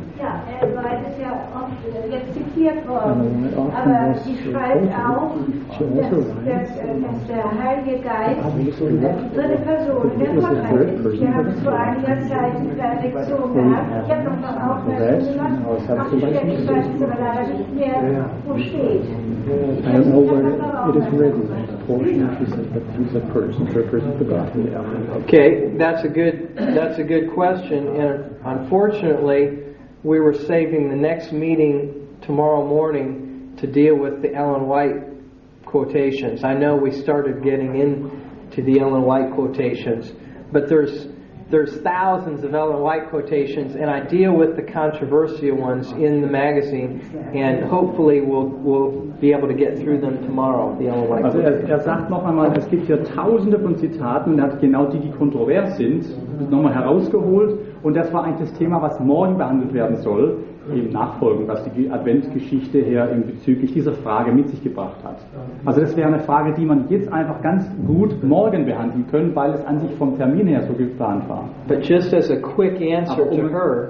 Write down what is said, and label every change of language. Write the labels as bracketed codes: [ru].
[de] Ja, weil das ja oft wird jetzt zitiert worden, aber sie schreibt auch, dass der Heilige Geist in der dritte Person wird verteidigt. Wir haben es vor einiger Zeit in der Lektion gehabt. Ich habe noch mal aufmerksam gemacht, aber ich weiß jetzt aber leider nicht mehr, wo steht. [en] I don't know where it is written. Okay, that's a good question, and unfortunately we were saving the next meeting tomorrow morning to deal with the Ellen White quotations. I know we started getting into the Ellen White quotations, but there's thousands of Ellen White quotations, and I deal with the controversial ones in the magazine, and hopefully we'll be able to get through them tomorrow, the Ellen White quotations. [de] Also er sagt noch einmal, es gibt hier tausende von Zitaten, und er hat genau die kontrovers sind, nochmal herausgeholt, und das war eigentlich das Thema, was morgen behandelt werden soll, eben nachfolgend, was die Adventsgeschichte her in bezüglich dieser Frage mit sich gebracht hat. Also das wäre eine Frage, die man jetzt einfach ganz gut morgen behandeln können, weil es an sich vom Termin her so geplant war. [en] But just as a quick answer to her,